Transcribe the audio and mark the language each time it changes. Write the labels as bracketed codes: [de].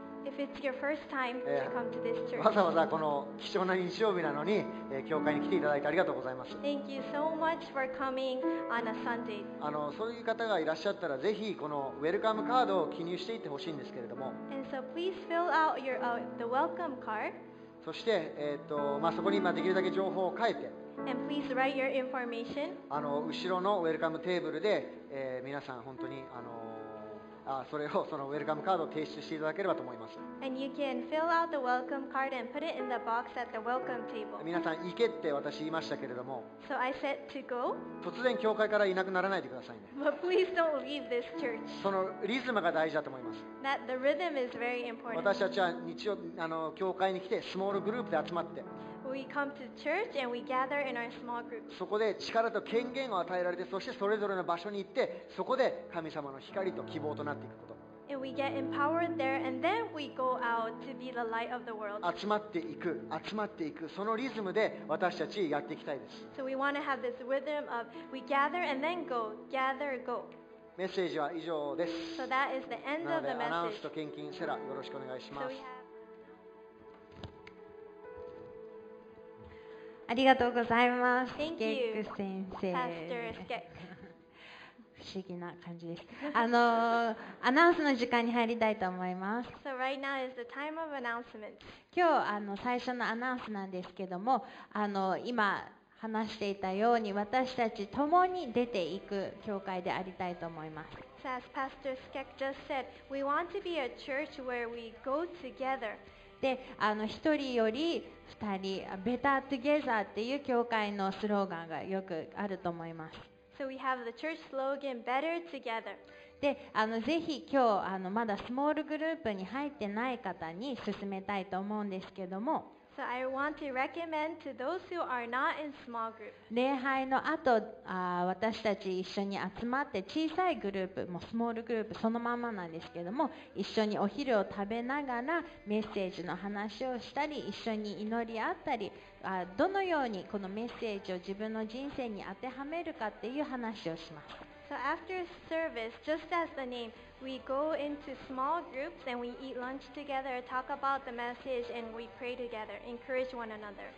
[en] If it's your first time to come to this church. [ja] わざわざこの貴重な日曜日なのに、教会に来ていただいてありがとうございます。 [en] Thank you so much for coming on a Sunday. [ja] そういう方がいらっしゃったら、ぜひこのウェルカムカードを記入していってほしいんですけれども。 [en] And so please fill out your, the welcome card. [ja] そして、そこにできるだけ情報を書いて。 [en] And please write your information. [ja] 後ろのウェルカムテーブルで、皆さん本当に、それをそのウェルカムカードを提出していただければと思います。 [en] And you can fill out the welcome card and put it in the box at the welcome table. [ja] 皆さん行けって私言いましたけれども。 [en] So I said to go. [ja] 突然教会からいなくならないでくださいね。 [en] But please don't leave this church. [ja] そのリズムが大事だと思います。 [en] That the rhythm is very important. [ja] 私たちは日曜教会に来てスモールグループで集まって。 [en] We come to church and we gather in our small groups. [ja] そこで力と権限を与えられて、そしてそれぞれの場所に行って、そこで神様の光と希望となっていくこと。 [en] And we get empowered there, and then we go out to be the light of the world. [ja] 集まっていく、集まっていく、そのリズムで私たちやっていきたいです。 [en] So we want to have this rhythm of we gather and then go, gather, go. [ja] メッセージは以上です。 [en] So that is the end of the message. [ja] アナウンスと献金セラ、よろしくお願いします。ありがとうございます。 [en] Thank you, [ja] スケック先生。 [en] Pastor Skek. [ja] 不思議な感じです。アナウンスの時間に入りたいと思います。 [en] So right now is the time of announcements. [ja] 今日最初のアナウンスなんですけども、今話していたように私たち共に出ていく教会でありたいと思います。 [en] So as Pastor Skek just said, we want to be a church where we go together. [ja] で一人より二人、Better Together っていう教会のスローガンがよくあると思います。 [en] So we have the church slogan, Better Together. [ja] で、ぜひ今日まだスモールグループに入ってない方に勧めたいと思うんですけども。 [en] So I want to recommend to those who are not in small group. [ja] 礼拝の後、私たち一緒に集まって小さいグループ、もうスモールグループそのままなんですけども、一緒にお昼を食べながらメッセージの話をしたり、一緒に祈り合ったり、どのようにこのメッセージを自分の人生に当てはめるかっていう話をします。 [en] So after service, just as the name, we go into small groups and we eat lunch together, talk about the message and we pray together, encourage one another.